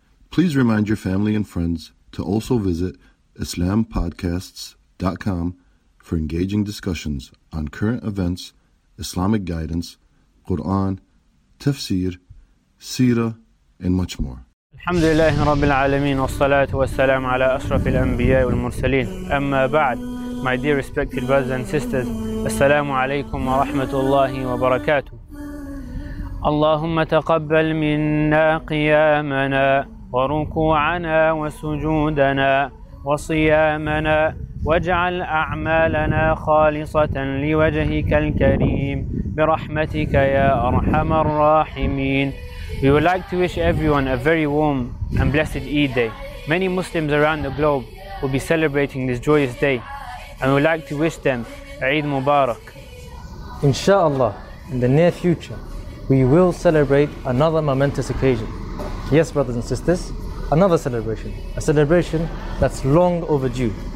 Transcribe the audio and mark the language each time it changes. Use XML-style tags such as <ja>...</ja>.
<en>Please remind your family and friends to also visit IslamPodcasts.com for engaging discussions on current events, Islamic guidance, Quran, tafsir, seerah, and much more.</en> <ar>الحمد لله رب العالمين والصلاة والسلام على أشرف الأنبياء والمرسلين أما بعد</ar> <en>My dear respected brothers and sisters</en> <ar>السلام عليكم ورحمة الله وبركاته اللهم تقبل منا قيامنا وركوعنا وسجودنا وصيامنا واجعل أعمالنا خالصة لوجهك الكريم برحمتك يا أرحم الراحمين</ar> <en>We would like to wish everyone a very warm and blessed Eid day. Many Muslims around the globe will be celebrating this joyous day. And we would like to wish them Eid Mubarak. Inshallah, in the near future, we will celebrate another momentous occasion. Yes, brothers and sisters, another celebration. A celebration that's long overdue.</en>